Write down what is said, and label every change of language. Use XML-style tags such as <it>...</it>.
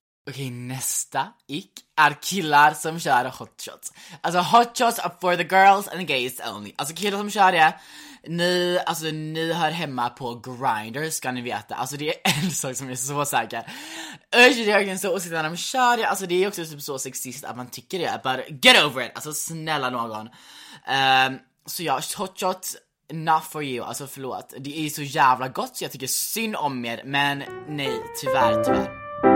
<sv>Okej, nästa ick är killar som kör hotshots. Alltså</sv> <en>hotshots are for the girls and the gays only.</en> <sv>Alltså killar som kör det, ni hör hemma på Grindr, ska ni veta. Alltså det är en sak som är så säker. Usch, det är verkligen så osäkert när de kör det. Alltså det är också typ så sexist att man tycker det.</sv> <en>But get over it,</en> <sv>alltså snälla någon. Så ja,</sv> <en>hotshots, not for you.</en> <sv>Alltså förlåt, det är så jävla gott så jag tycker synd om er. Men nej, tyvärr.</sv>